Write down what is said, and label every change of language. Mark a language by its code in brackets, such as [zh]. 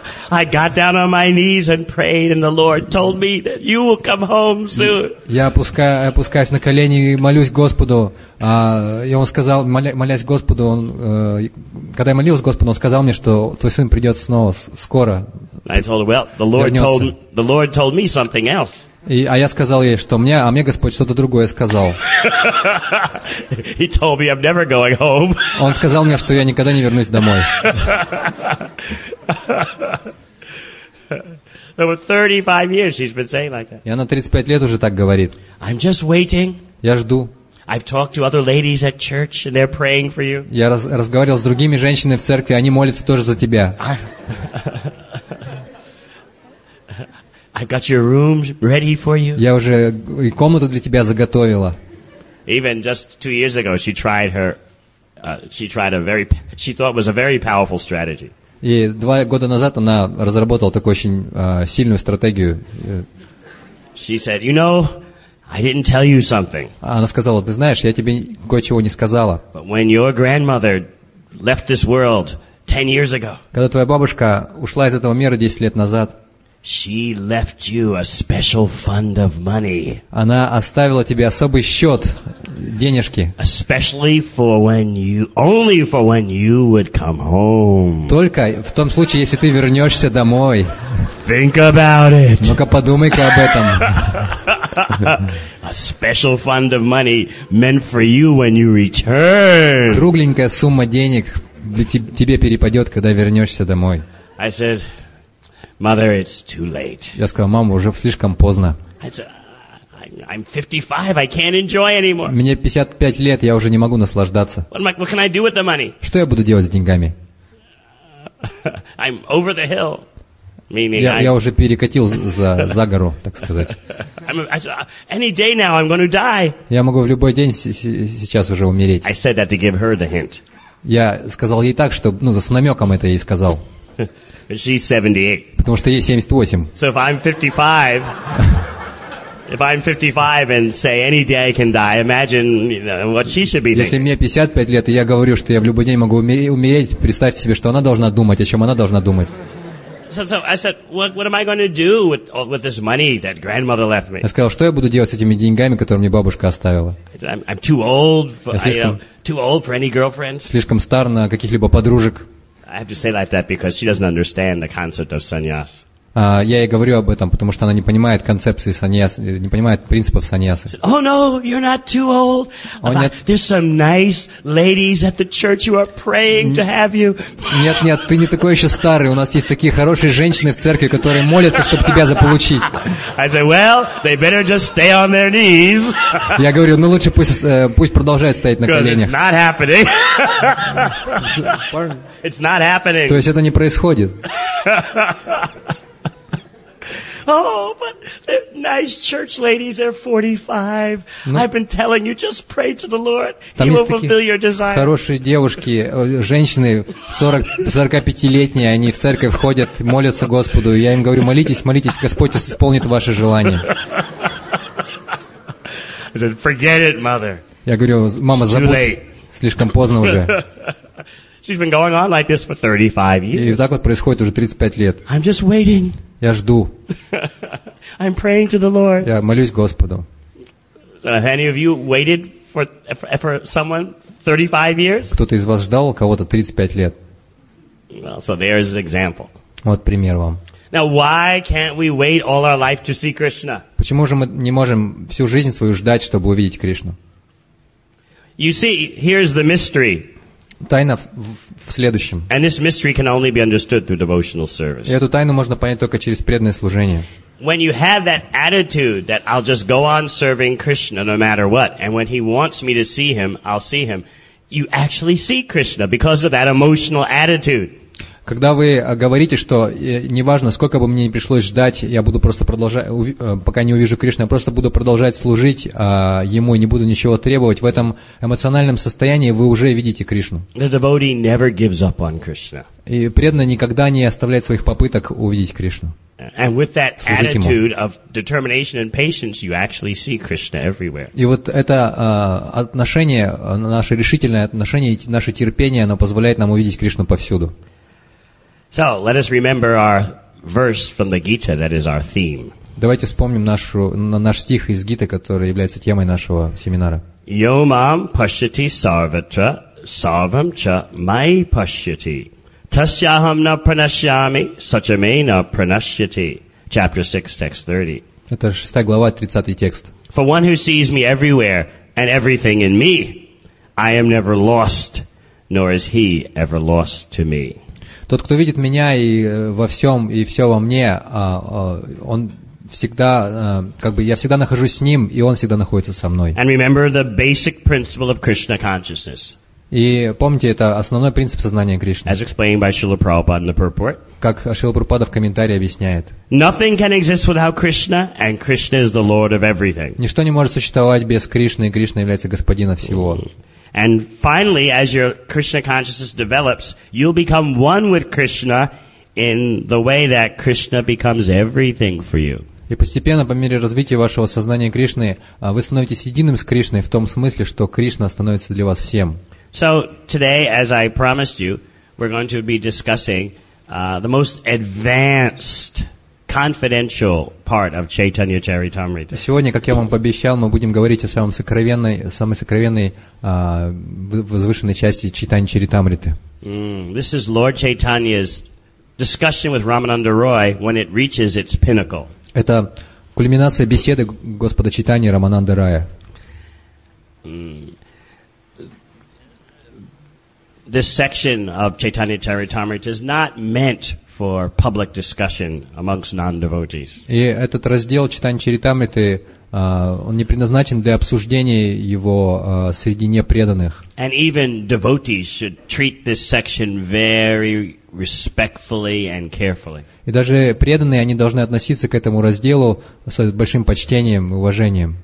[en] I got down on my knees and prayed, and the Lord told me that you will come home soon. [ru] Я опускаюсь на колени и молюсь Господу, и он сказал, молясь Господу, он, когда я молился Господу, он сказал мне, что твой сын придет снова скоро. [en] I told her, well, the Lord told me something else. [ru] И, а я сказал ей, что мне, а мне Господь что-то другое сказал. [en] He told me I'm never going home. [ru] Он сказал мне, что я никогда не вернусь домой. [en] Over 35 years she's been saying like that. [ru] И она 35 лет уже так говорит. [en] I'm just waiting. [ru] Я жду. [en] I've talked to other ladies at church and they're praying for you. [ru] Я разговаривал с другими женщинами в церкви, они молятся тоже за тебя. [en] I've got your room ready for you. [ru] Я уже и комнату для тебя заготовила. [en] Even just 2 years ago, she tried her. She thought was a very powerful strategy. [ru] И 2 года назад она разработала такую очень сильную стратегию. [en] She said, "You know, I didn't tell you something." [ru] Она сказала: "Ты знаешь, я тебе кое-чего не сказала." [en] But when your grandmother left this world 10 years ago, [ru] когда твоя бабушка ушла из этого мира 10 лет назад. [en] She left you a special fund of money. [ru] Она оставила тебе особый счет денежки. [en] Especially for when you, only for when you would come home. [ru] Только в том случае, если ты вернешься домой. [en] Think about it. [ru] Ну-ка подумай-ка об этом. [en] A special fund of money meant for you when you return. [ru] Кругленькая сумма денег для тебе перепадет, когда вернешься домой. [en] I said. Mother, it's too late. [ru] Я сказал, мама, уже слишком поздно. [en] I'm 55. I can't enjoy anymore. [ru] Мне 55 лет, я уже не могу наслаждаться. [en] What can I do with the money? [ru] Что я буду делать с деньгами? [en] I'm over the hill, meaning [ru] я уже перекатил за гору, так сказать. [en] Any day now, I'm going to die. [ru] Я могу в любой день сейчас уже умереть. [en] I said that to give her the hint. [ru] Я сказал ей так, чтобы с намеком это ей сказал. [en] She's 78. [ru] Потому что ей 78. [en] So if I'm 55, if I'm 55 and say any day I can die, imagine what she should be thinking. [ru] Если мне 55 лет, и я говорю, что я в любой день могу умереть, представьте себе, что она должна думать, о чем она должна думать. [en] So I said, what am I going to do with this money that grandmother left me? [ru] Я сказал, что я буду делать с этими деньгами, которые мне бабушка оставила? [en] I'm too old for, too old for any girlfriends. [ru] Слишком стар на каких-либо подружек. [en] I have to say like that because she doesn't understand the concept of sannyas. [ru] Я ей говорю об этом, потому что она не понимает концепции саньяс, не понимает принципов саньяса. [en] Oh no, you're not too old. There's some nice ladies at the church who are praying to have you. [ru] Нет, нет, ты не такой еще старый. У нас есть такие хорошие женщины в церкви, которые молятся, чтобы тебя заполучить. [en] I say, well, they better just stay on their knees. [ru] Я говорю, лучше пусть продолжают стоять на коленях. [en] It's not happening. It's not happening. [ru] То есть это не происходит. [en] Oh, but the nice church ladies are 45. I've been telling you, just pray to the Lord. He will fulfill your desire. [ru] Хорошие девушки, женщины 45-летние, они в церковь входят, молятся Господу. Я им говорю, молитесь, Господь исполнит ваше желание. [en] I said, forget it, mother. [ru] Я говорю, мама, забудь. Слишком поздно уже. [en] She's been going on like this for 35 years. [ru] И так вот происходит уже 35 лет. [en] I'm just waiting. [ru] Я жду. [en] I'm praying to the Lord. [ru] Я молюсь Господу. [en] Have any of you waited for someone 35 years? [ru] Кто-то из вас ждал кого-то 35 лет? [en] Well, so there's an example. [ru] Вот пример вам. [en] Now, why can't we wait all our life to see Krishna? [ru] Почему же мы не можем всю жизнь свою ждать, чтобы увидеть Кришну? [en] You see, here's the mystery. [ru] Тайна в следующем. [en] And this mystery can only be understood through devotional service. [ru] И эту тайну можно понять только через преданное служение. [en] When you have that attitude that I'll just go on serving Krishna no matter what, and when he wants me to see him, I'll see him, you actually see Krishna because of that emotional attitude. [ru] Когда вы говорите, что неважно, сколько бы мне ни пришлось ждать, я буду просто продолжать, пока не увижу Кришну, я просто буду продолжать служить Ему и не буду ничего требовать, в этом эмоциональном состоянии вы уже видите Кришну. [en] The devotee never gives up on Krishna. [ru] И преданный никогда не оставляет своих попыток увидеть Кришну. [en] And with that attitude of determination and patience, you actually see Krishna everywhere. [ru] И вот это отношение, наше решительное отношение, наше терпение, оно позволяет нам увидеть Кришну повсюду. [en] So let us remember our verse from the Gita that is our theme. [ru] Давайте вспомним наш стих из Гиты, который является темой нашего семинара. [sa] Yo mam pashyati sarvatra sarvam cha mai pashyati. Tasyaham na pranashyami, sachame na pranashyati. [en] Chapter 6, text 30. [ru] Это 6 глава, 30 текст. [en] For one who sees me everywhere and everything in me, I am never lost, nor is he ever lost to me. [ru] Тот, кто видит меня и во всем, и все во мне, он всегда, как бы, я всегда нахожусь с ним, и он всегда находится со мной. [en] And remember the basic principle of Krishna consciousness. [ru] И помните, это основной принцип сознания Кришны. [en] As explained by Srila Prabhupada in the purport. [ru] Как Шрила Прабхупада в комментарии объясняет. [en] Nothing can exist without Krishna, and Krishna is the Lord of everything. [ru] Ничто не может существовать без Кришны, и Кришна является господином всего. [en] And finally, as your Krishna consciousness develops, you'll become one with Krishna in the way that Krishna becomes everything for you. [ru] И постепенно, по мере развития вашего сознания Кришны, вы становитесь единым с Кришной в том смысле, что Кришна становится для вас всем. [en] So today, as I promised you, we're going to be discussing the most advanced confidential part of Chaitanya Charitamrita. [ru] Сегодня, как я вам пообещал, мы будем говорить о самой сокровенной возвышенной части Чайтаньи Чаритамриты. [en] This is Lord Chaitanya's discussion with Ramananda Roy when it reaches its pinnacle. [ru] Это кульминация беседы Господа Чайтаньи и Рамананды Роя. [en] This section of Chaitanya Charitamrita is not meant for public discussion amongst non-devotees. [ru] И этот раздел Чайтаньи Чаритамриты, он не предназначен для обсуждения его среди непреданных. [en] And even devotees should treat this section very respectfully and carefully. [ru] И даже преданные, они должны относиться к этому разделу с большим почтением и уважением.